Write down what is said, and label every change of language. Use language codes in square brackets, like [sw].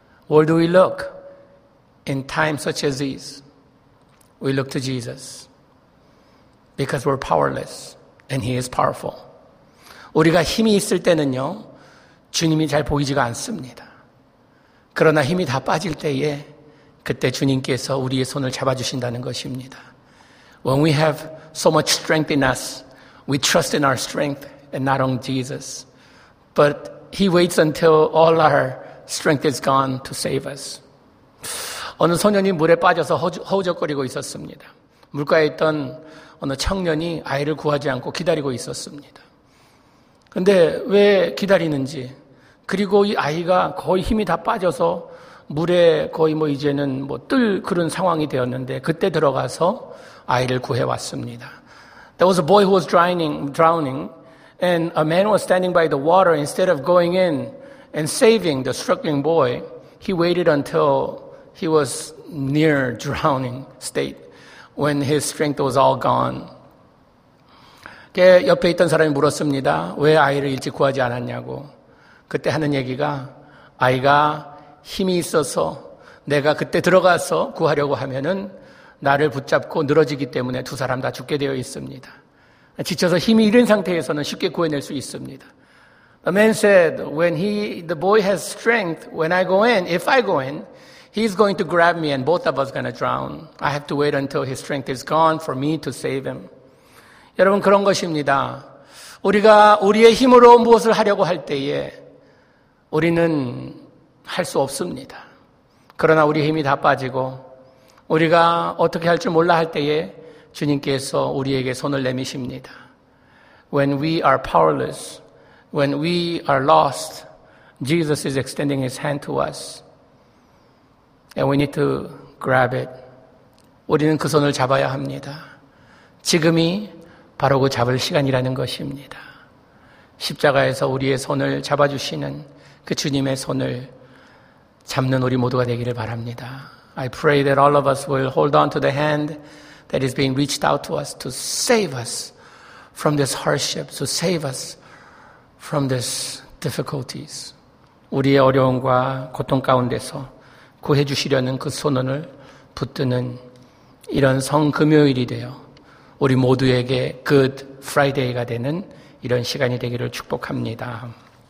[en] Where do we look? In times such as these, we look to Jesus because we're powerless and He is powerful. [ko] 우리가 힘이 있을 때는요, 주님이 잘 보이지가 않습니다. 그러나 힘이 다 빠질 때에 그때 주님께서 우리의 손을 잡아주신다는 것입니다. [en] When we have so much strength in us, we trust in our strength and not on Jesus. But He waits until all our strength is gone to save us. [ko] 어느 소년이 물에 빠져서 허우적거리고 있었습니다. 물가에 있던 어느 청년이 아이를 구하지 않고 기다리고 있었습니다. 근데 왜 기다리는지, 그리고 이 아이가 거의 힘이 다 빠져서 물에 거의 뭐 이제는 뭐 뜰 그런 상황이 되었는데 그때 들어가서 아이를 구해왔습니다. [en] There was a boy who was drowning, and a man was standing by the water. Instead of going in and saving the struggling boy, he waited until he was near drowning state when his strength was all gone. [ko] 옆에 있던 사람이 물었습니다. 왜 아이를 일찍 구하지 않았냐고. 그때 하는 얘기가 아이가 힘이 있어서 내가 그때 들어가서 구하려고 하면은 나를 붙잡고 늘어지기 때문에 두 사람 다 죽게 되어 있습니다. 지쳐서 힘이 잃은 상태에서는 쉽게 구해낼 수 있습니다. [en] A man said, when the boy has strength, when I go in, if I go in, he's going to grab me and both of us are going to drown. I have to wait until his strength is gone for me to save him. [ko] 여러분, 그런 것입니다. 우리가 우리의 힘으로 무엇을 하려고 할 때에 우리는 할 수 없습니다. 그러나 우리 힘이 다 빠지고 우리가 어떻게 할 줄 몰라 할 때에 주님께서 우리에게 손을 내미십니다. [en] When we are powerless, when we are lost, Jesus is extending his hand to us. And we need to grab it. [ko] 우리는 그 손을 잡아야 합니다. 지금이 바로 그 잡을 시간이라는 것입니다. 십자가에서 우리의 손을 잡아주시는 그 주님의 손을 잡는 우리 모두가 되기를 바랍니다. [en] I pray that all of us will hold on to the hand that is being reached out to us to save us from this hardship, to save us from these difficulties. [ko] 우리의 어려움과 고통 가운데서 구해주시려는 그 손을 붙드는 이런 성금요일이 되어 우리 모두에게 Good Friday가 되는 이런 시간이 되기를 축복합니다.